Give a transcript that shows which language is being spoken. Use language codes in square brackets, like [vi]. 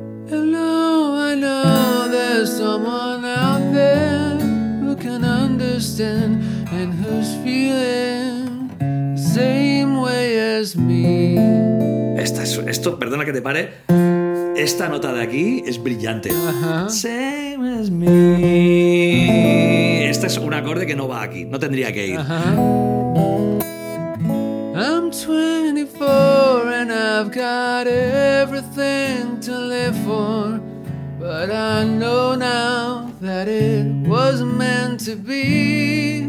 [en] Hello, I know there's someone out there who can understand. And who's feeling same way as me. [es] Esta es, esto, perdona que te pare. Esta nota de aquí es brillante. [en] Same as me. [es] Esta es un acorde que no va aquí. No tendría que ir. [en] I'm 24 and I've got everything to live for. But I know now that it was meant to be.